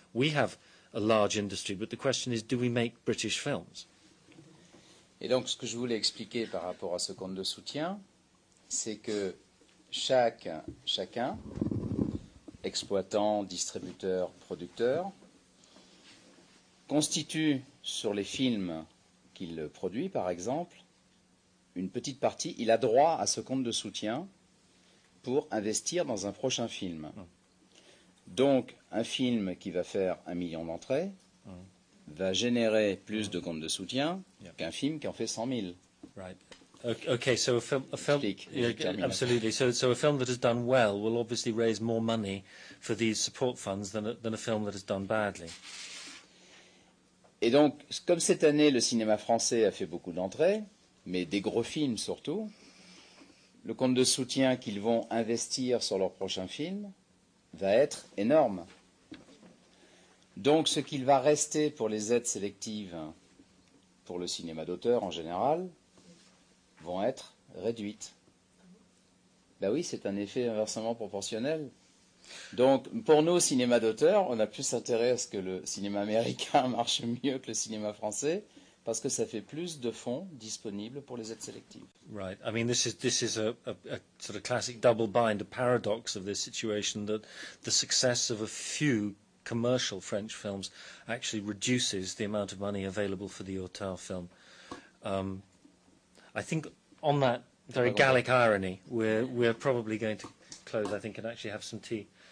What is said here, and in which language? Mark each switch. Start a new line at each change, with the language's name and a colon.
English: We have a large industry, but the question is, do we make British films?
French: Et donc, ce que je voulais expliquer par rapport à ce compte de soutien, c'est que chacun, exploitant, distributeur, producteur, constitue sur les films qu'il produit, par exemple, une petite partie, il a droit à ce compte de soutien pour investir dans un prochain film. Donc, un film qui va faire 1 million d'entrées va générer plus de comptes de soutien qu'un film qui en fait 100 000.
English: Right. Okay, so a film absolutely. So a film that has done well will obviously raise more money for these support funds than a film that has done badly.
French: Et donc, comme cette année, le cinéma français a fait beaucoup d'entrées, mais des gros films surtout, le compte de soutien qu'ils vont investir sur leur prochain film va être énorme. Donc, ce qu'il va rester pour les aides sélectives pour le cinéma d'auteur en général vont être réduites. Ben oui, c'est un effet inversement proportionnel. Donc, pour nous, cinéma d'auteur, on a plus intérêt à ce que le cinéma américain marche mieux que le cinéma français, parce que ça fait plus de fonds disponibles pour les aides sélectives.
English: Right. I mean, this is a sort of classic double bind, a paradox of this situation, that the success of a few commercial French films actually reduces the amount of money available for the auteur film. I think on that very Gallic irony, we're probably going to close, I think, and actually have some tea.